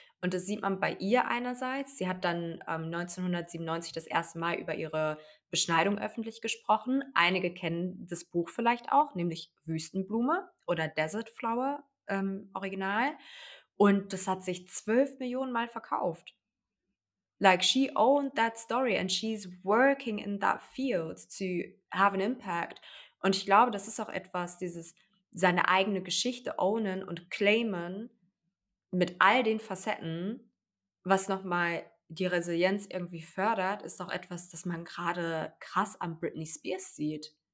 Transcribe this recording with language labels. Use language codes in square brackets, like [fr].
[de] Und das sieht man bei ihr einerseits. Sie hat dann 1997 das erste Mal über ihre Beschneidung öffentlich gesprochen. Einige kennen das Buch vielleicht auch, nämlich Wüstenblume oder Desert Flower Original. Und das hat sich 12 Millionen Mal verkauft. [en] Like, she owned that story and she's working in that field to have an impact. [de] Und ich glaube, das ist auch etwas, dieses seine eigene Geschichte ownen und claimen mit all den Facetten, was nochmal die Resilienz irgendwie fördert, ist doch etwas, das man gerade krass an Britney Spears sieht.